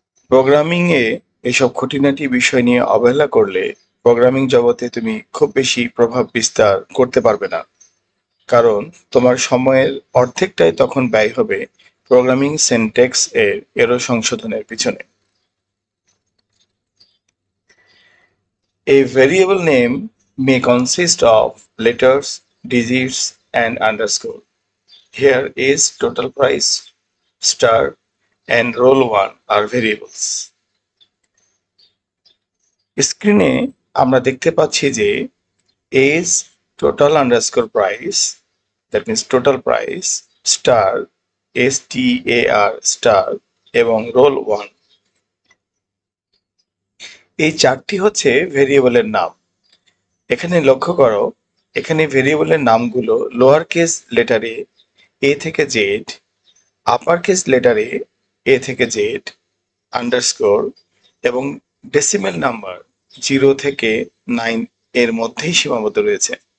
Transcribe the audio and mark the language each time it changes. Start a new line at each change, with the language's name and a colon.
Bangla: প্রোগ্রামিংয়ে এসব খুঁটিনাটি বিষয় নিয়ে অবহেলা করলে প্রোগ্রামিং জগতে তুমি খুব বেশি প্রভাব বিস্তার করতে পারবে না, কারণ তোমার সময়ের অর্ধেকটাই তখন ব্যয় হবে প্রোগ্রামিং সিনট্যাক্স এরর সংশোধনের পিছনে।
English: A variable name may consist of letters, digits, and underscore. Here is total price, star, and roll one are variables.
Bangla: স্ক্রিনে আমরা দেখতে পাচ্ছি যে
English: is total underscore price, that means total price, star, star, star, এবং roll one।
Bangla: এই চারটি হচ্ছে ভেরিয়েবলের নাম। এখানে লক্ষ্য করো, এখানে ভেরিয়েবলের নামগুলো লোয়ার কেস লেটারে এ থেকে জেড, আপার কেস লেটারে এ থেকে জেড, আন্ডারস্কোর এবং ডেসিমেল নাম্বার 0 থেকে 9 এর মধ্যেই সীমাবদ্ধ রয়েছে।